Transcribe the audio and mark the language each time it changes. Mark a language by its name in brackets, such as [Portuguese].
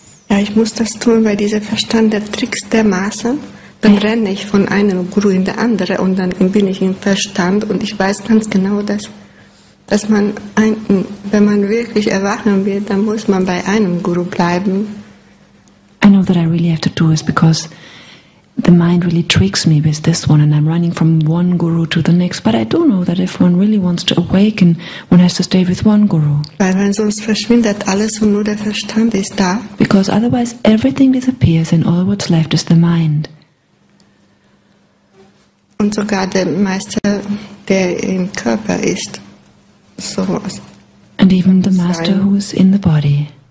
[German] Ja, ich muss das tun, weil dieser Verstand der Tricks dermaßen, dann renne ich von einem Guru in den anderen und dann bin ich im Verstand und ich weiß ganz genau, dass man, wenn man wirklich erwachen will, dann muss man bei einem Guru bleiben. [English] I know that I really have to do this because the mind really tricks me with this one and I'm running from one guru to the next. But I do know that if one really wants to awaken, one has to stay with one guru. [German] Weil wenn sonst verschwindet alles und nur der Verstand ist da. [English] Because otherwise everything disappears and all what's left is the mind. [German] Und sogar der Meister, der im Körper ist, sowas. [English] And even the master who is in the body.